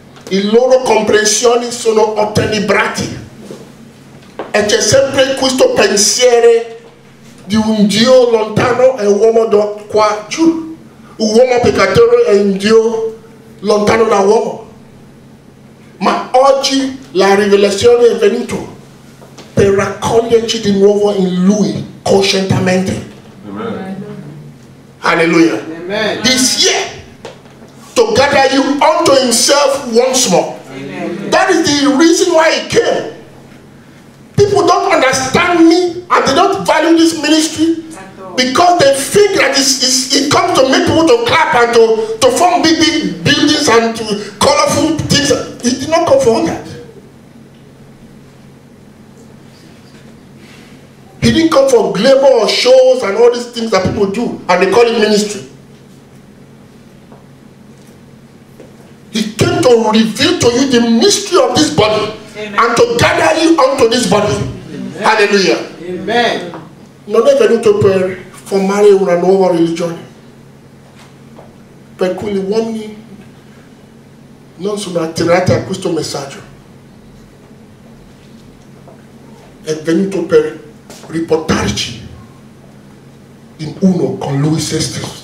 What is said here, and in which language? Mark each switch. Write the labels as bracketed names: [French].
[Italian] I loro comprensioni sono ottenebrate. E c'è sempre questo pensiero di un Dio lontano e un uomo da qua giù. Un uomo peccatore e un Dio lontano da uomo. Ma oggi la rivelazione è venuta per raccoglierci di nuovo in Lui, coscientemente. Amen. Hallelujah. Amen. [English] This year, to gather you unto Himself once more. Amen. That is the reason why He came. People don't understand me and they don't value this ministry because they think that it comes to make people to clap and to form big buildings and to colorful things. He did not come for all that. He didn't come for glamour or shows and all these things that people do and they call it ministry. He came to to reveal to you the mystery of this body. Amen. And to gather you unto this body. Amen. Hallelujah. Amen. [Italian] Non è venuto per formare una nuova religione, per cui gli uomini non sono attirati a questo messaggio. È venuto per riportarci in uno con lui stesso.